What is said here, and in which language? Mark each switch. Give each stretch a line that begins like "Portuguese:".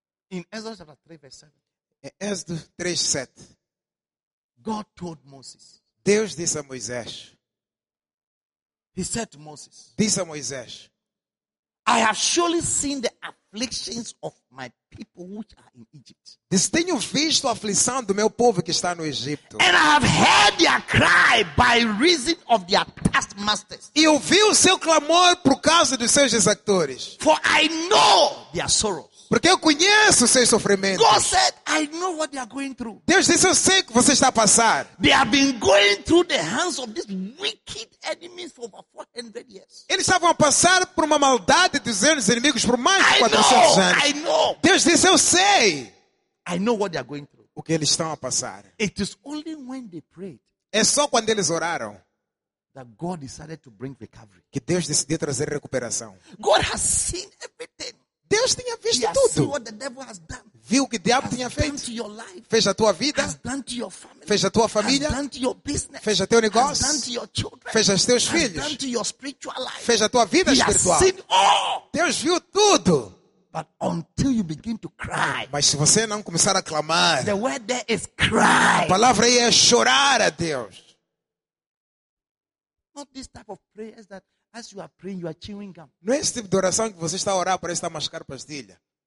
English: In Exodus 3, verse 7.
Portuguese: Em Êxodo 3, 7.
English: God told Moses.
Portuguese: Deus disse a Moisés.
English: He said to Moses.
Portuguese: Disse a Moisés.
English: I have surely seen the afflictions of my people which are in Egypt.
Portuguese: Tenho visto a aflição do meu povo que está no Egito.
English: And I have heard their cry by reason of their taskmasters.
Portuguese: E ouvi o seu clamor por causa dos seus executores.
English: For I know their sorrow.
Portuguese: Porque eu conheço seus sofrimentos.
English: God said, I know what they are going through.
Portuguese: Deus disse, eu sei o que você está a passar.
English: They have been going through the hands of these wicked enemies for over 400 years.
Portuguese: Eles estavam a passar por uma maldade dos seus inimigos por mais de 400 anos.
English: I know.
Portuguese: Deus disse, eu sei.
English: I know what they are going through.
Portuguese: O que eles estão a passar.
English: It is only when they prayed.
Portuguese: É só quando eles oraram.
English: That God decided to bring recovery.
Portuguese: Que Deus decidiu trazer recuperação.
English: God has seen everything.
Portuguese: Deus tinha visto
English: he
Portuguese: tudo.
English: What the devil has done.
Portuguese: Viu o que o diabo
English: has
Portuguese: tinha feito.
English: To your life.
Portuguese: Fez a tua vida.
English: Has done to your family.
Portuguese: Fez a tua família.
English: Has done to your business.
Portuguese: Fez o teu negócio.
English: Has done to your children.
Portuguese: Fez os teus
English: has
Portuguese: filhos.
English: Done to your spiritual life.
Portuguese: Fez a tua vida
English: he
Portuguese: espiritual.
English: Has seen all.
Portuguese: Deus viu tudo.
English: But until you begin to cry,
Portuguese: mas se você não começar a clamar,
English: the word there is cry.
Portuguese: A palavra aí é chorar a Deus.
English: Not this type of prayers that as you are praying, you are chewing gum.
Portuguese: Não é esse tipo de oração que você está a orar, parece estar a mascar pastilha.